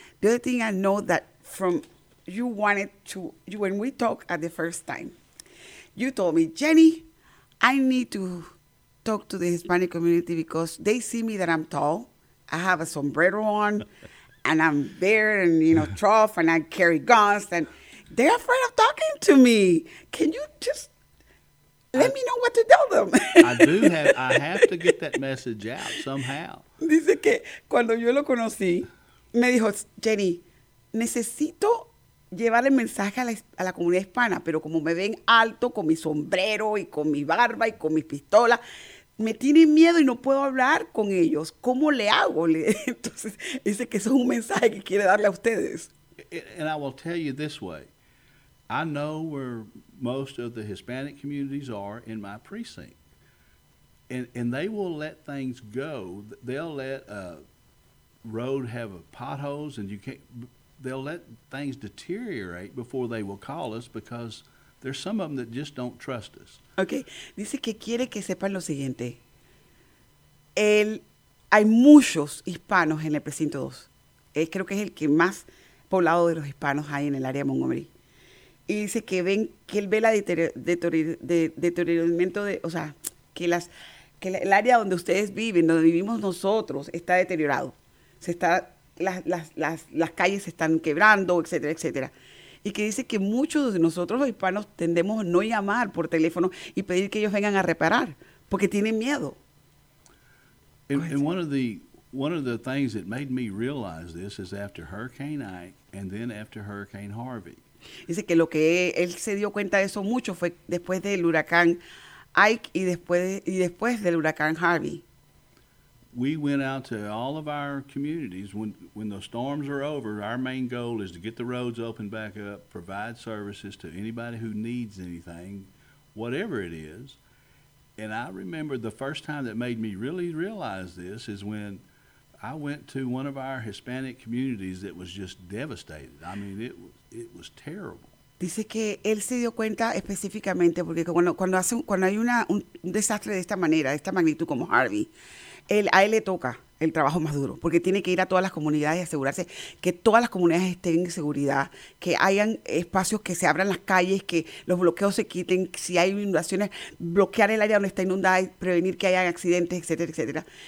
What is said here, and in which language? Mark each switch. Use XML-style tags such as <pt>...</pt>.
<en>The other thing I know that from you wanted to, when we talked at the first time, you told me, Jenny, I need to talk to the Hispanic community because they see me that I'm tall. I have a sombrero on and I'm bare and, you know, trough and I carry guns and they're afraid of talking to me. Can you just let me know what to tell them? I have to get that message out somehow.</en> <es>Dice que cuando yo lo conocí, me dijo, Jenny, necesito llevar el mensaje a la comunidad hispana, pero como me ven alto con mi sombrero y con mi barba y con mis pistolas, me tienen miedo y no puedo hablar con ellos. ¿Cómo le hago? Entonces, dice que eso es un mensaje que quiere darle a ustedes.</es> <en>And I will tell you this way. I know where most of the Hispanic communities are in my precinct. And they will let things go. They'll let a road have potholes and you can't... They'll let things deteriorate before they will call us because there's some of them that just don't trust us.</en> <es>Okay. Dice que quiere que sepan lo siguiente. Hay muchos hispanos en el precinto 2. Creo que es el que más poblado de los hispanos hay en el área de Montgomery. Y dice que ven que él ve la deterioramiento de, o sea, que el área donde ustedes viven, donde vivimos nosotros, está deteriorado. Se está... Las calles se están quebrando, etcétera, etcétera. Y que dice que muchos de nosotros los hispanos tendemos a no llamar por teléfono y pedir que ellos vengan a reparar, porque tienen miedo.</es> <en>And one of the things that made me realize this is after Hurricane Ike and then after Hurricane Harvey.</en> <es>Dice que lo que él se dio cuenta de eso mucho fue después del huracán Ike y después del huracán Harvey.</es> <en>We went out to all of our communities when the storms are over. Our main goal is to get the roads open back up, provide services to anybody who needs anything, whatever it is. And I remember the first time that made me really realize this is when I went to one of our Hispanic communities that was just devastated. I mean, it was terrible.</en> <es>Dice que él se dio cuenta específicamente porque cuando hay un desastre de esta manera, de esta magnitud como Harvey, A él le toca el trabajo más duro, porque tiene que ir a todas las comunidades y asegurarse que todas las comunidades estén en seguridad, que hayan espacios que se abran las calles, que los bloqueos se quiten, si hay inundaciones, bloquear el área donde está inundada y prevenir que haya accidentes, etcétera, etcétera.</es>